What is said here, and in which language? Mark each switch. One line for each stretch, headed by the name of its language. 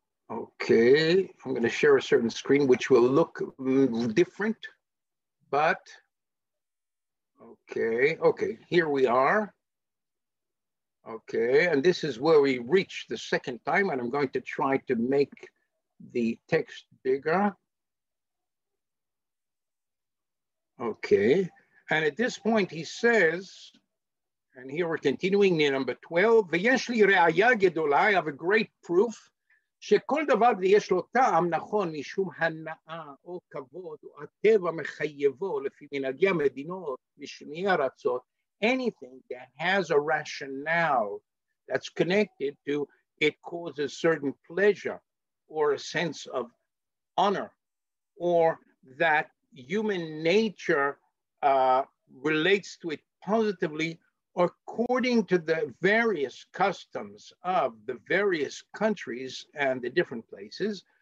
English: Okay, I'm gonna share a certain screen, which will look different. But, okay, here we are. Okay, and this is where we reach the second time, and I'm going to try to make the text bigger. Okay, and at this point he says, and here we're continuing near number 12,
Hebrew: ויש לי ראיה גדולה,
English: I have a great proof,
Hebrew: שכל דבר יש לו טעם נכון משום הנאה או כבוד או הטבע מחייבו לפי מנהגי המדינות משני ארצות.
English: Anything that has a rationale that's connected to it causes certain pleasure or a sense of honor, or that human nature relates to it positively according to the various customs of the various countries and the different places.